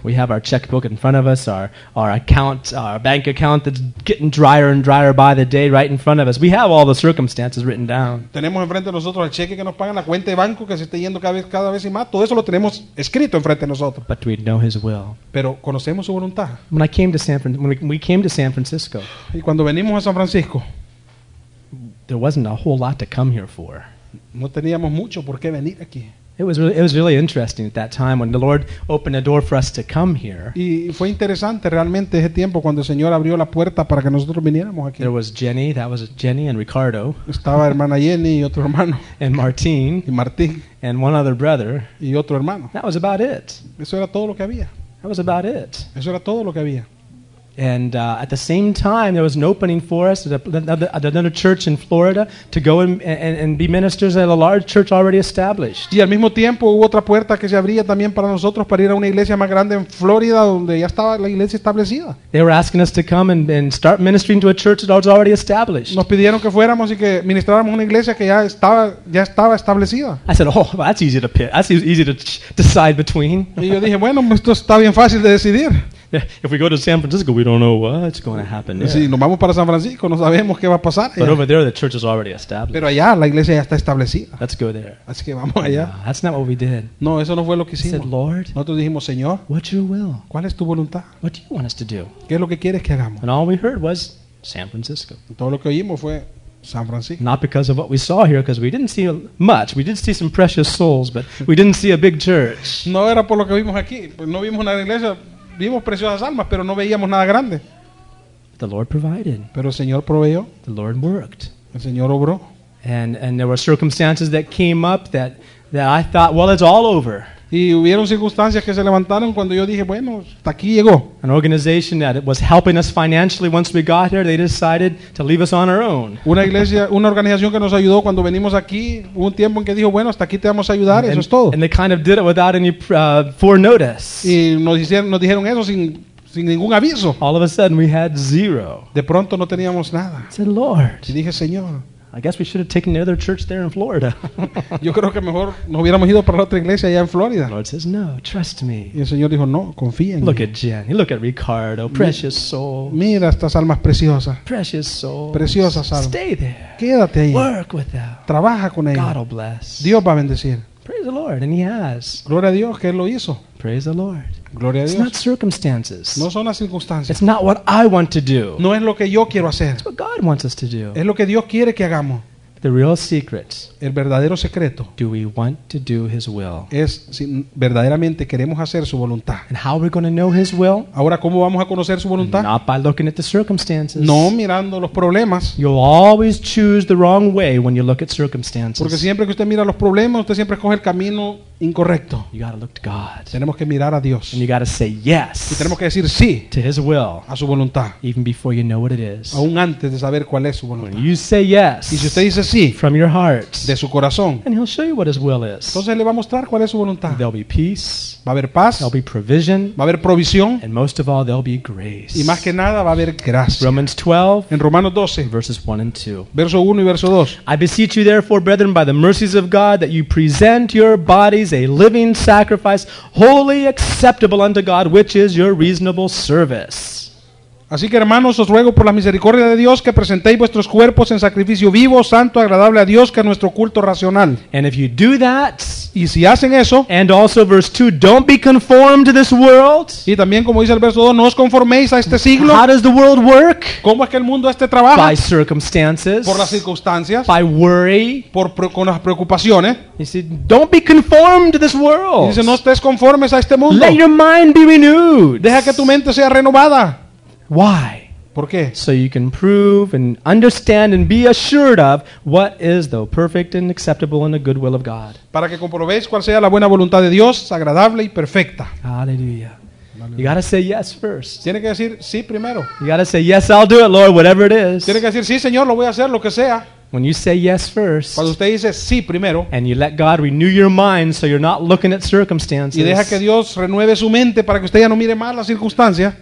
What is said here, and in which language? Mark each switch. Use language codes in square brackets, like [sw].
[en] We have our checkbook in front of us, our account, our bank account that's getting drier and drier by the day right in front of us. We have all the circumstances written down. [es] Tenemos enfrente de nosotros el cheque que nos pagan, la cuenta de banco que se está yendo cada vez y más. Todo eso lo tenemos escrito enfrente de nosotros. [en] But we know his will. [es] Pero conocemos su voluntad. [en] When we came to San Francisco. [es] Y cuando venimos a San Francisco. [en] There wasn't a whole lot to come here for. [es] No teníamos mucho por qué venir aquí. [en] It was really interesting at that time when the Lord opened a door for us to come here. [es] Y fue interesante realmente ese tiempo cuando el Señor abrió la puerta para que nosotros viniéramos aquí. [en] There was Jenny, that was Jenny and Ricardo. [es] Estaba hermana Jenny y otro hermano. [en] And Martín. [es] Y Martín. [en] And one other brother. [es] Y otro hermano. [en] That was about it. [es] Eso era todo lo que había. [en] That was about it. [es] Eso era todo lo que había. [en] And at the same time, there was an opening for us at another church in Florida to go and be ministers at a large church already established. [es] Y al mismo tiempo hubo otra puerta que se abría también para nosotros para ir a una iglesia más grande en Florida donde ya estaba la iglesia establecida. [en] They were asking us to come and start ministering to a church that was already established. [es] Nos pidieron que fuéramos y que ministráramos una iglesia que ya estaba establecida. [en] I said, "Oh, well, that's easy to pick. That's easy to decide between." [es] Y yo dije, bueno, esto está bien fácil de decidir. [en] If we go to San Francisco, we don't know what's going to happen there. [es] Sí, nos vamos para San Francisco, no sabemos qué va a pasar. [en] But over there, the church is already established. [es] Pero allá, la iglesia ya está establecida. [en] Let's go there. [es] Así que vamos allá. [en] No, that's not what we did. [es] No, eso no fue lo que hicimos. [en] We said, Lord. [es] Nosotros dijimos, Señor. [en] What's your will? [es] ¿Cuál es tu voluntad? [en] What do you want us to do? [es] ¿Qué es lo que quieres que hagamos? [en] And all we heard was San Francisco. [es] Todo lo que oímos fue San Francisco. [en] Not because of what we saw here, because we didn't see much. We did see some precious souls, but we didn't see a big church. [es] No era por lo que vimos aquí. No vimos una iglesia. Vimos preciosas almas, pero no veíamos nada grande. [en] The Lord provided. [es] Pero el Señor proveyó. [en] The Lord worked. [es] El Señor obró. [en] And there were circumstances that came up that I thought, well, it's all over. [es] Y hubieron circunstancias que se levantaron cuando yo dije, bueno, hasta aquí llegó. [en] An organization that was helping us financially once we got here, they decided to leave us on our own. [es] Una iglesia, una organización que nos ayudó cuando venimos aquí, hubo un tiempo en que dijo, bueno, hasta aquí te vamos a ayudar, [en] and, [es] eso es todo. [en] And they kind of did it without any forenotice. [es] Y nos dijeron eso sin ningún aviso. [en] All of a sudden we had zero. [es] De pronto no teníamos nada. [en] I said, Lord. [es] Y dije, Señor. [en] I guess we should have taken the other church there in Florida. [es] Yo creo que mejor nos hubiéramos ido para otra iglesia allá en Florida. [en] Lord says, no, trust me. [es] Y el Señor dijo, no, confía en mí. [en] Look at Jenny, look at Ricardo, precious soul. [es] Mira estas almas preciosas. [en] Precious soul. [es] Preciosas almas. [en] Stay there. [es] Quédate ahí. [en] Work with them. [es] Trabaja con ellos. [en] God will bless. [es] Dios va a bendecir. [en] Praise the Lord, and he has. [es] Gloria a Dios que él lo hizo. [en] Praise the Lord. [es] Gloria a Dios. [en] It's not circumstances. [es] No son las circunstancias. [en] It's not what I want to do. [es] No es lo que yo quiero hacer. [en] It's what God wants us to do. [es] Es lo que Dios quiere que hagamos. [en] The real secret. [es] El verdadero secreto. [en] Do we want to do His will? [es] Es si verdaderamente queremos hacer su voluntad. [en] And how are we going to know His will? [es] Ahora, ¿cómo vamos a conocer su voluntad? [en] Not by looking at the circumstances. [es] No mirando los problemas. [en] You'll always choose the wrong way when you look at circumstances. [es] Porque siempre que usted mira los problemas, usted siempre escoge el camino incorrecto. [en] You got to look to God. [es] Tenemos que mirar a Dios. [en] And you got to say yes. [es] Y tenemos que decir sí. [en] To His will. [es] A su voluntad. [en] Even before you know what it is. [es] Aún antes de saber cuál es su voluntad. [en] When you say yes. [es] Y si usted dice sí. [en] From your heart. [es] De su corazón. [en] And He'll show you what His will is. [es] Entonces él le va a mostrar cuál es su voluntad. [en] There'll be peace. [es] Va a haber paz. [en] There'll be provision. [es] Va a haber provisión. [en] And most of all, there'll be grace. [es] Y más que nada va a haber gracia. [en] Romans 12. [es] En Romanos 12. [en] Verses 1 and 2. [es] Verso 1 y verso 2. [en] I beseech you therefore, brethren, by the mercies of God, that you present your bodies a living sacrifice, wholly acceptable unto God, which is your reasonable service. [es] Así que hermanos, os ruego por la misericordia de Dios que presentéis vuestros cuerpos en sacrificio vivo, santo, agradable a Dios, que es nuestro culto racional. [en] And if you do that, [es] y si hacen eso, [en] and also verse 2, don't be conformed to this world. [es] Y también como dice el verso 2, no os conforméis a este siglo. [en] How does the world work? [es] ¿Cómo es que el mundo este trabaja? [en] By circumstances. [es] Por las circunstancias. [en] By worry. [es] Con las preocupaciones. [en] He said, don't be conformed to this world. [es] Y dice, no estés conformes a este mundo. [en] Let your mind be renewed. [es] Deja que tu mente sea renovada. [en] Why? [es] ¿Por qué? [en] So you can prove and understand and be assured of what is the perfect and acceptable and the good will of God. [es] Para que comprobéis cuál sea la buena voluntad de Dios, agradable y perfecta. [en] Hallelujah. You gotta say yes first. [es] Tiene que decir sí primero. [en] You gotta say yes, I'll do it, Lord, whatever it is. [es] Tiene que decir sí, Señor, lo voy a hacer, lo que sea. [en] When you say yes first, [es] cuando usted dice sí primero, [en] and you let God renew your mind so you're not looking at circumstances, [es] y deja que Dios renueve su mente para que usted ya no mire más la circunstancia,